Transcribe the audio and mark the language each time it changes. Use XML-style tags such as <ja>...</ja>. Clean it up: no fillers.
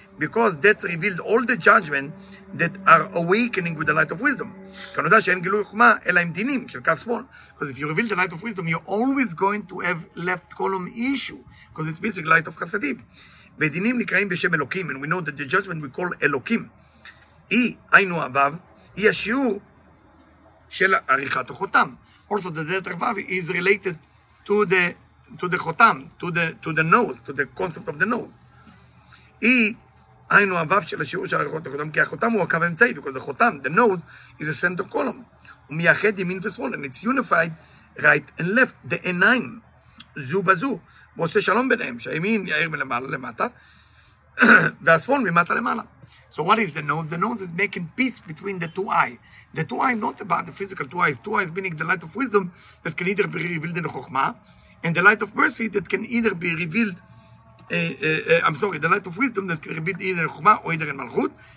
<en>Because that's revealed all the judgment that are awakening with the light of wisdom.</en> <he>כנודע שאין גילוי חוכמה, אלא עם דינים של קו שמאל.</he> <en>Because if you reveal the light of wisdom, you're always going to have left column issue. Because it's basically light of חסדים.</en> <he>ודינים נקראים בשם אלוקים,</he> <en>and we know that the judgment we call אלוקים.</en> <he>היא, היינו הוו, היא השיעור של עריכת החותם.</he> <en>Also, the letter וו is related to the חותם, to the nose, to the concept of the nose.</en> <he>היא... היינו הוו של השיעור של הריחות החותם, כי החותם הוא הקו האמצעי, because the חותם,</he> <en>the nose, is a center column.</en> <he>הוא מייחד ימין ושמאל,</he> <en>and it's unified right and left,</en> <he>the עיניים, זו בזו, ועושה שלום ביניהם, שהימין יאיר מלמעלה למטה, והשמאל ממטה למעלה.</he> <en>So what is the nose? The nose is making peace between the two eyes. The two eyes, not about the physical two eyes. Two eyes meaning the light of wisdom that can either be revealed in the chokmah, and the light of mercy that can either be revealed, the light of wisdom that can be revealed either in chokmah or either in malchut.</en>